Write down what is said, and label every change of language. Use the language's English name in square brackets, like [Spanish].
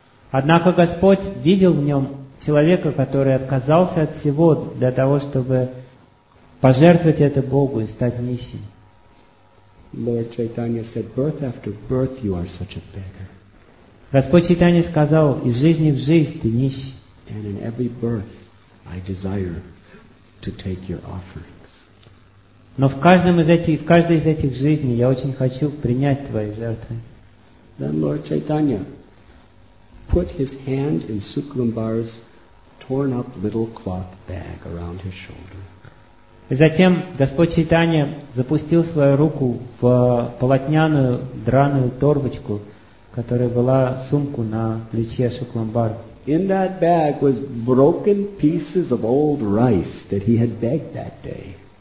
[Russian] Однако Господь видел в нем человека, который отказался от всего для того, чтобы пожертвовать это Богу и стать нищим. [English] Lord Chaitanya said, birth after birth you are such a beggar. [Russian] Господь Чайтанья сказал, из жизни в жизнь ты нищий. [English] And in every birth I desire to take your offerings. [Russian] Но в каждой из этих жизней я очень хочу принять твои жертвы. [English] Then Lord Chaitanya put his hand in Sukhlambar's torn up little cloth bag around his shoulder. [Russian] И затем Господь Чайтанья запустил свою руку в полотняную драную торбочку, которая была сумку на плече Сукламбара. [English] In that bag was broken pieces of old rice that he had begged that day.